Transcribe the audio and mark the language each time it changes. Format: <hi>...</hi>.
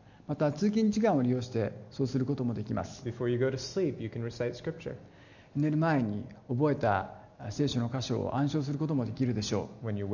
<ja>また通勤時間を利用してそうすることもできます。</ja> <en>before you go to sleep, you can recite scripture.</en> <ja>寝る前に覚えた聖書の箇所を暗唱することもできるでしょう。</ja>